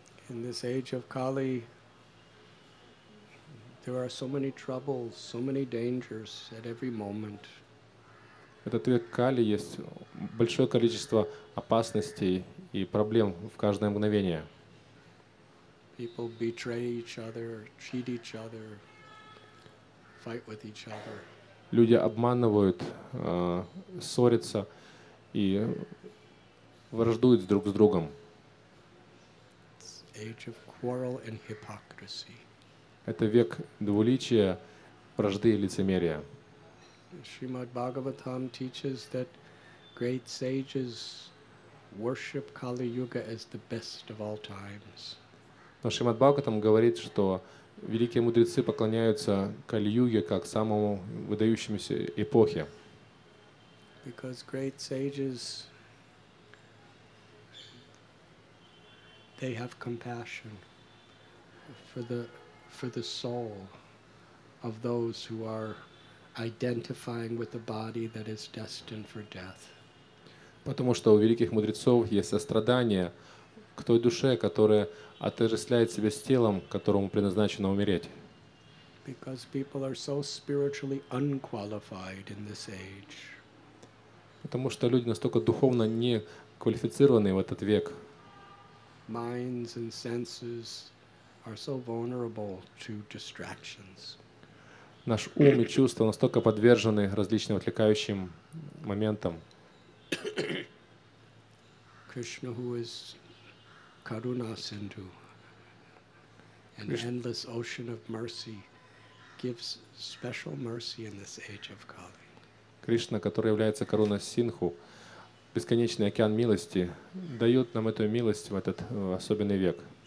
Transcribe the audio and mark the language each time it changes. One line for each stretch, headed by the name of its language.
English: In this age of Kali, there are so many troubles, so many dangers at every moment.
Russian: Этот век Кали есть большое количество опасностей и проблем в каждое мгновение.
English: People betray each other, cheat each other, fight with each other.
Russian: Люди обманывают, ссорятся и враждуют друг с другом.
English: It's age of quarrel and hypocrisy.
Russian: Это век двуличия, вражды и лицемерия.
English: Shrimad Bhagavatam teaches that great sages worship Kali Yuga as the best of all times.
Russian: Но Шримад Бхагаватам говорит, что великие мудрецы поклоняются Кали-Юге как самому выдающемуся эпохе.
English: Because great sages, they have compassion for the soul of those who are identifying with a body that is destined for death.
Russian: Потому что у великих мудрецов есть сострадание к той душе, которая отождествляет себя с телом, которому предназначено умереть.
English: Because people are so spiritually unqualified in this age.
Russian: Потому что люди настолько духовно неквалифицированы в этот век.
English: Minds and senses are so vulnerable to distractions.
Russian: Наш ум и чувства настолько подвержены различным отвлекающим моментам.
English: Krishna, who is Karuna Sindhu, an endless ocean of mercy, gives special mercy in this age of Kali.
Russian: Кришна, который является Каруна Синху, бесконечный океан милости, дает нам эту милость в этот особенный век.